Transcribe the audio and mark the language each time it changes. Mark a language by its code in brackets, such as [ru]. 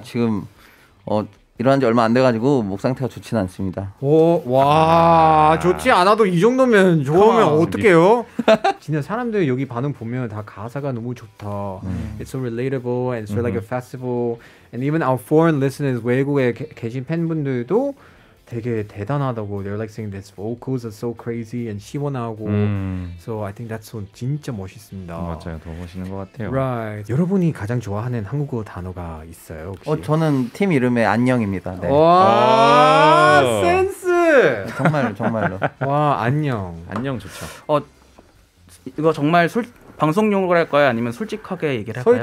[ko] 지금 일어난 지 얼마 안 돼가지고 목 상태가 좋지는 않습니다. 오, 와, 좋지 않아도 이 정도면 좋으면 어떡해요? 진짜 사람들 여기 반응 보면 다 가사가 너무 좋다. [en] It's so relatable and it's like a festival. And even our foreign listeners, [ko] 외국에 계신 팬분들도 되게 대단하다고. [en] They're like saying this vocals are so crazy and [ko] 시원하고. [en] So I think that's so [ko] 진짜 멋있습니다. 맞아요, 더 멋있는 것 같아요. [en] Right. [ko] 여러분이 가장 좋아하는 한국어 단어가 있어요, 혹시? 저는 팀 이름의 안녕입니다. 네. 와, 센스. 정말로. 와, 안녕. 안녕 좋죠. 이거 정말 방송용으로 할 거야 아니면 솔직하게 얘기를 할까요?